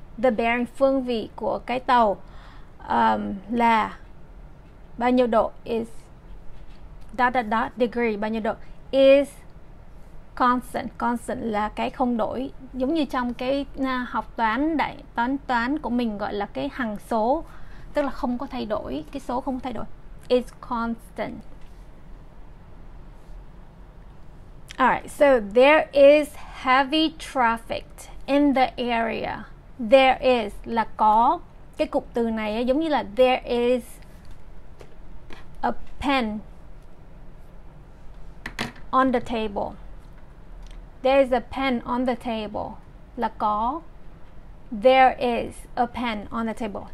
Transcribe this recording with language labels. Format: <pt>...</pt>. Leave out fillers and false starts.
<vi>The bearing phương vị của cái tàu là bao nhiêu độ, is dot dot dot degree bao nhiêu độ,</vi> <en>is constant.</en> <vi>Constant là cái không đổi, giống như trong cái học toán đại toán toán của mình gọi là cái hằng số, tức là không có thay đổi, cái số không thay đổi.</vi> <en>Is constant. Alright, so there is heavy traffic in the area. There is</en> <vi>là có. Cái cụm từ này giống như là</vi> <en>there is a pen on the table. There is a pen on the table.</en> <vi>Là có.</vi> <en>There is a pen on the table.</en>